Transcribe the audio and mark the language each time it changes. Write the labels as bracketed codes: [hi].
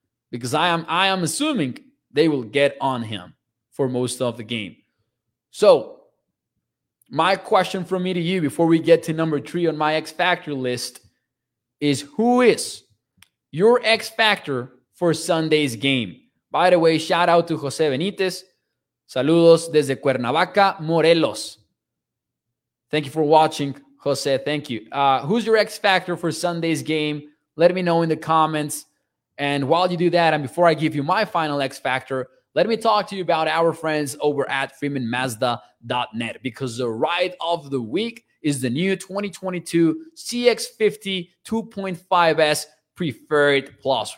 [en] Because I am assuming they will get on him for most of the game. So, my question from me to you before we get to number 3 on my X-Factor list is, who is your X-Factor for Sunday's game? By the way, shout out to Jose Benitez. [es] Saludos desde Cuernavaca, Morelos. [en] Thank you for watching, Jose. Thank you. Who's your X-Factor for Sunday's game? Let me know in the comments. And while you do that, and before I give you my final X-Factor, let me talk to you about our friends over at FreemanMazda.net, because the ride of the week is the new 2022 CX-50 2.5S Preferred Plus.